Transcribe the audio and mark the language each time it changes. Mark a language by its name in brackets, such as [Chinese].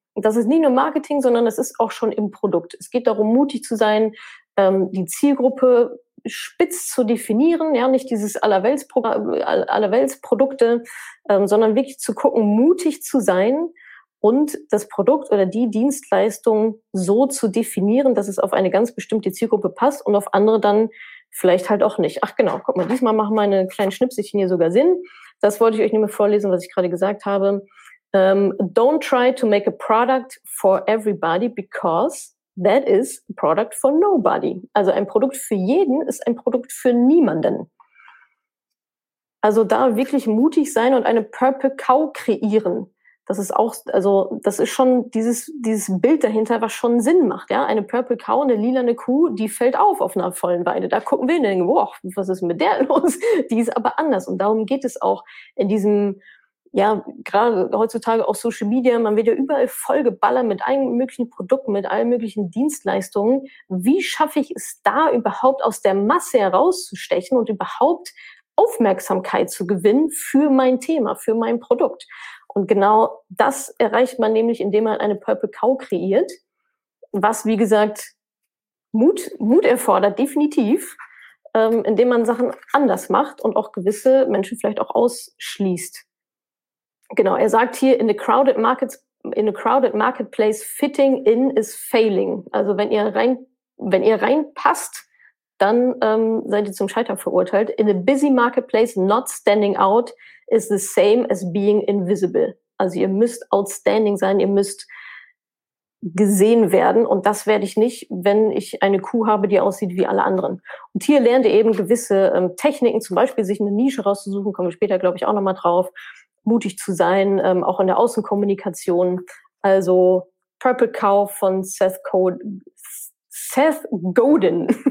[German] Das ist nicht nur Marketing, sondern es ist auch schon im Produkt. Es geht darum, mutig zu sein, die Zielgruppe spitz zu definieren, ja, nicht dieses Allerweltsprodukte, sondern wirklich zu gucken, mutig zu sein und das Produkt oder die Dienstleistung so zu definieren, dass es auf eine ganz bestimmte Zielgruppe passt und auf andere dann vielleicht halt auch nicht. Ach genau, guck mal, diesmal machen meine kleinen Schnipselchen hier sogar Sinn. Das wollte ich euch nämlich vorlesen, was ich gerade gesagt habe. [English] Don't try to make a product for everybody because that is a product for nobody. [German] Also ein Produkt für jeden ist ein Produkt für niemanden. Also da wirklich mutig sein und eine Purple Cow kreieren. Das ist auch, also das ist schon dieses Bild dahinter, was schon Sinn macht. Ja, eine Purple Cow, eine lilane Kuh, die fällt auf einer vollen Weide. Da gucken wir und denken, boah, was ist mit der los? Die ist aber anders. Und darum geht es auch in diesem, ja, gerade heutzutage auch Social Media, man wird ja überall vollgeballert mit allen möglichen Produkten, mit allen möglichen Dienstleistungen. Wie schaffe ich es da überhaupt aus der Masse herauszustechen und überhaupt Aufmerksamkeit zu gewinnen für mein Thema, für mein Produkt? Und genau das erreicht man nämlich, indem man eine Purple Cow kreiert, was, wie gesagt, Mut erfordert, definitiv. Indem man Sachen anders macht und auch gewisse Menschen vielleicht auch ausschließt. Genau, er sagt hier, [English] in a crowded marketplace, fitting in is failing. [German] Also wenn ihr reinpasst, dann seid ihr zum Scheitern verurteilt. [English] In a busy marketplace, not standing out is the same as being invisible. [German] Also ihr müsst outstanding sein, ihr müsst gesehen werden. Und das werde ich nicht, wenn ich eine Kuh habe, die aussieht wie alle anderen. Und hier lernt ihr eben gewisse Techniken, zum Beispiel sich eine Nische rauszusuchen, kommen wir später, glaube ich, auch nochmal drauf. Mutig zu sein, auch in der Außenkommunikation. Also Purple Cow von Seth Godin.